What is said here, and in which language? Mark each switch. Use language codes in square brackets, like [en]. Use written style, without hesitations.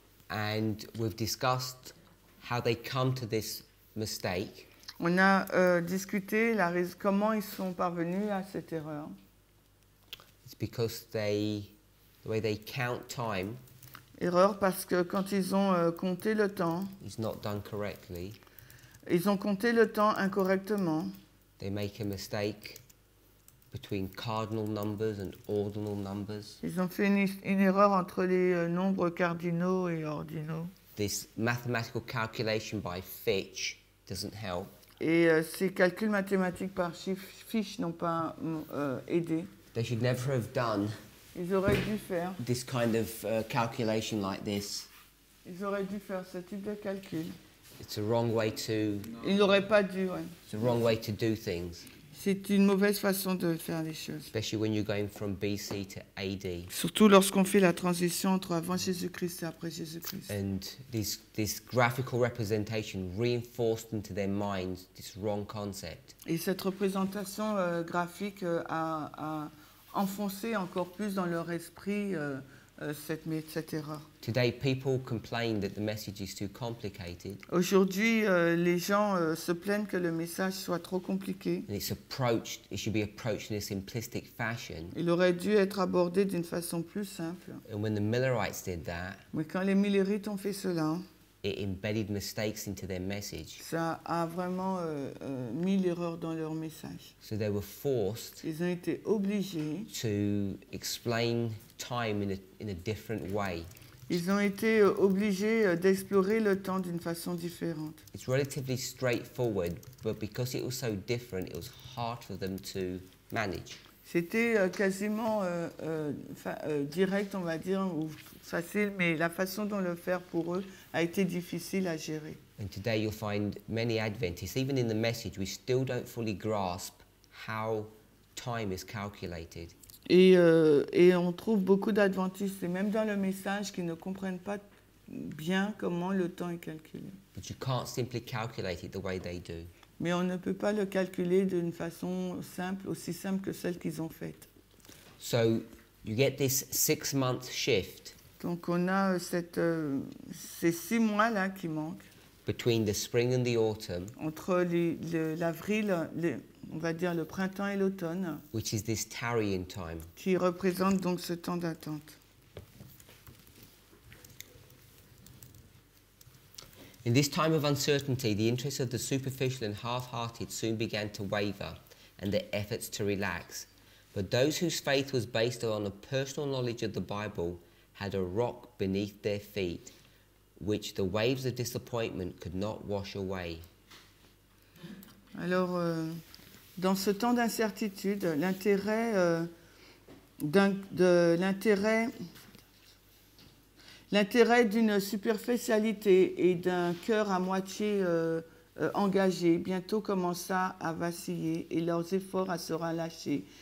[en] And we've discussed how they come to this mistake. [fr] On a discuté la comment ils sont parvenus à cette erreur. [en] It's because the way they count time. [fr] Erreur parce que quand ils ont compté le temps. [en] It's not done correctly. [fr] Ils ont compté le temps incorrectement. [en] They make a mistake between cardinal numbers and ordinal numbers. [fr] Ils ont fait une erreur entre les nombres cardinaux et ordinaux. [en] This mathematical calculation by Fitch doesn't help. [fr] Et ces calculs mathématiques par Fitch n'ont pas aidé. [en] They should never have done. [fr] Ils auraient dû faire. [en] This kind of calculation like this. [fr] Ils auraient dû faire ce type de calcul. [en] It's a wrong way to. [fr] Ils n'auraient pas dû. Ouais. [en] It's a wrong way to do things. [fr] C'est une mauvaise façon de faire les choses. [en] Especially when you're going from BC to AD. [fr] Surtout lorsqu'on fait la transition entre avant Jésus-Christ et après Jésus-Christ. [en] And this graphical representation reinforced into their minds this wrong concept. [fr] Et cette représentation graphique a enfoncé encore plus dans leur esprit cette erreur. [en] Today, people complain that the message is too complicated. [fr] Aujourd'hui, les gens se plaignent que le message soit trop compliqué. [en] And it should be approached in a simplistic fashion. [fr] Il aurait dû être abordé d'une façon plus simple. [en] And when the Millerites did that, [fr] mais quand les Millerites ont fait cela, [en] it embedded mistakes into their message. [fr] Ça a vraiment mis l'erreur dans leur message. [en] So they were forced. [fr] Ils ont été obligés. [en] To explain time in a different way. [fr] Ils ont été obligés d'explorer le temps d'une façon différente. [en] It's relatively straightforward, but because it was so different, it was hard for them to manage. [fr] C'était quasiment direct, on va dire, ou facile, mais la façon dont le faire pour eux a été difficile à gérer. [en] And today you'll find many Adventists, even in the message, we still don't fully grasp how time is calculated. [fr] Et on trouve beaucoup d'Adventistes, et même dans le message, qui ne comprennent pas bien comment le temps est calculé. [en] But you can't simply calculate it the way they do. [fr] Mais on ne peut pas le calculer d'une façon simple, aussi simple que celle qu'ils ont faite. [en] So, you get this 6 month shift. [fr] Donc on a ces 6 mois là qui manquent. [en] Between the spring and the autumn. [fr] Entre l'avril, on va dire le printemps et l'automne. [en] Which is this tarrying time. [fr] Qui représente donc ce temps d'attente. [en] In this time of uncertainty, the interests of the superficial and half-hearted soon began to waver, and their efforts to relax. But those whose faith was based on a personal knowledge of the Bible had a rock beneath their feet, which the waves of disappointment could not wash away. [fr] Alors, dans ce temps d'incertitude, l'intérêt d'une superficialité et d'un cœur à moitié engagé bientôt commença à vaciller et leurs efforts à se relâcher.